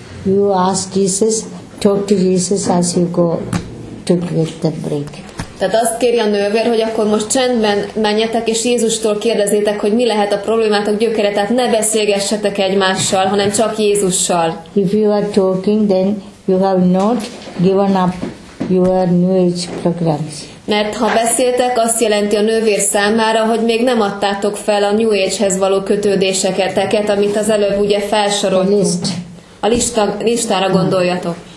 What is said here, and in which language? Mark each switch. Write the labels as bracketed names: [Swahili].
[English] You ask Jesus, talk to Jesus as you go to get the break. [Hungarian] Tehát azt kéri a nővér, hogy akkor most csendben menjetek, és Jézustól kérdezzétek, hogy mi lehet a problémátok gyökere, tehát ne beszélgessetek egymással, hanem csak Jézussal. [English] If you are talking, then you have not given up your New Age programs. [Hungarian] Mert ha beszéltek, azt jelenti a nővér számára, hogy még nem adtátok fel a New Age-hez való kötődéseket, amit az előbb ugye felsoroltunk. [English] List. [Hungarian] A lista, listára gondoljatok.